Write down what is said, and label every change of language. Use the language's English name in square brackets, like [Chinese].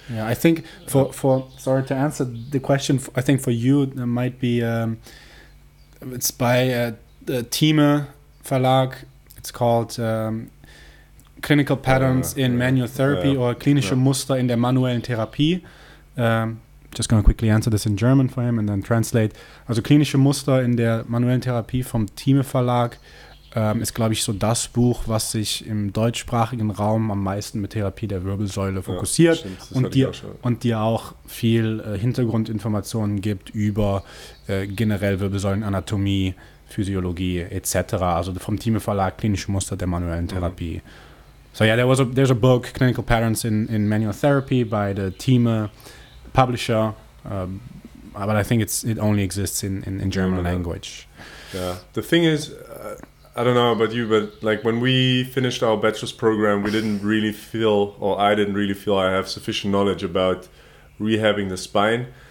[English] Yeah, I think for sorry to answer the question, I think for you, there might be, it's by the Thieme Verlag. It's called Clinical Patterns in Manual Therapy or Klinische Muster in der Manuellen Therapie. Just going to quickly answer this in German for him and then translate. [German] Also Klinische Muster in der Manuellen Therapie vom Thieme Verlag ist, glaube ich, so das Buch, was sich im deutschsprachigen Raum am meisten mit Therapie der Wirbelsäule fokussiert und dir auch viel Hintergrundinformationen gibt über generell Wirbelsäulenanatomie, Physiologie etc. Also vom Thieme Verlag Klinische Muster der Manuellen Therapie. [English] So yeah, there's a book, Clinical Patterns in Manual Therapy by the Thieme publisher, but I think it only exists in German language. Yeah, the thing is, I don't know about you, but like when we finished our bachelor's program, we didn't really feel, or I didn't really feel I have sufficient knowledge about rehabbing the spine.